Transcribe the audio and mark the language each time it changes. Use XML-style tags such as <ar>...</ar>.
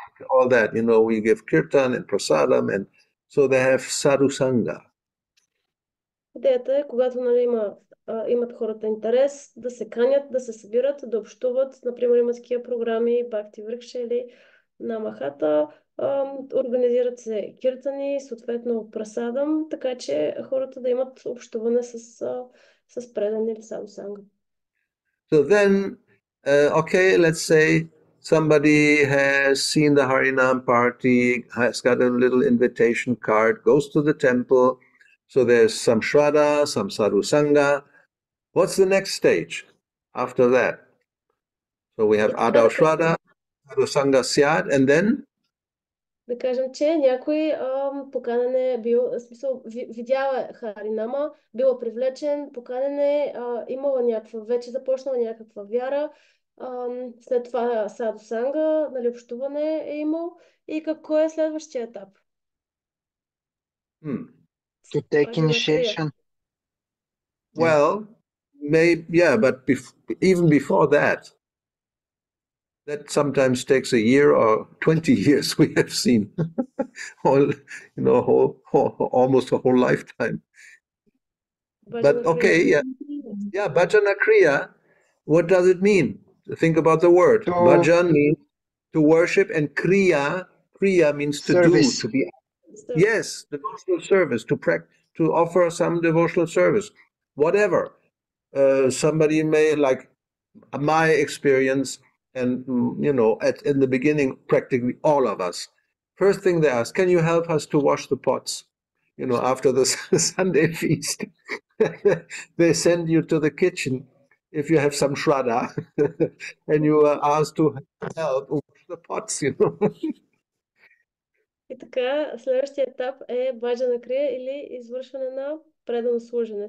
<en>All that, you know, we give kirtan and prasadam, and so they have Sadhu Sangha.</en> <bg>Идеята е, когато нали, имат хората интерес, да се канят, да се събират, да общуват, например, имат такива програми, Бхакти Вркша или Намахата, организират се киртани, съответно прасадам, така че хората да имат общуване с предани или Sadhu Sangha.</bg> <en>So then, okay, let's say Somebody has seen the Harinam party, has got a little invitation card, goes to the temple. So there's some Shraddha, some Sadhu Sangha. What's the next stage after that? So we have Adau Shraddha, Sadhu Sangha Syat, and then?</en> <bg>Да кажем, че някой поканен е бил, в смисъл, видял е Харинама, бил привлечен, поканен е, имала някаква, вече започнала някаква вяра, след това Саду Санга, нали, общуване е имал. И какво е следващия етап?</bg> <en>To take initiation. Well, maybe, yeah, but even before that, that sometimes takes a year or 20 years, we have seen, all, you know, whole, almost a whole lifetime. But okay, yeah. Yeah, bhajana kriya, what does it mean? Think about the word. To bhajan means to worship, and kriya means to service. Do, to be. Yes, devotional service, to offer some devotional service, whatever. Somebody may, like my experience, and, you know, in the beginning, practically all of us, first thing they ask, can you help us to wash the pots? You know, after the Sunday feast, they send you to the kitchen if you have some Shraddha, and you are asked to help wash the pots, you know.</en> <bg>И така, следващия етап е баджана крия или извършване на предано служене.</bg>